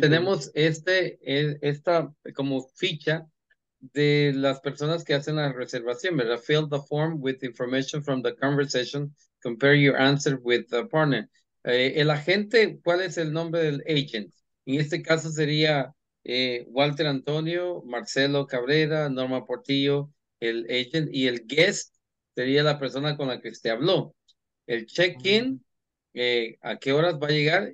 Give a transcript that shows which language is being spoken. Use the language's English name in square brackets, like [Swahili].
[Spanish] tenemos esta como ficha de las personas que hacen la reservación, ¿verdad? [English] Fill the form with information from the conversation. Compare your answer with the partner. [Spanish] El agente, ¿cuál es el nombre del agent? En este caso sería Walter Antonio, Marcelo Cabrera, Norma Portillo, el agent. Y el guest sería la persona con la que usted habló. El check-in, ¿a qué horas va a llegar?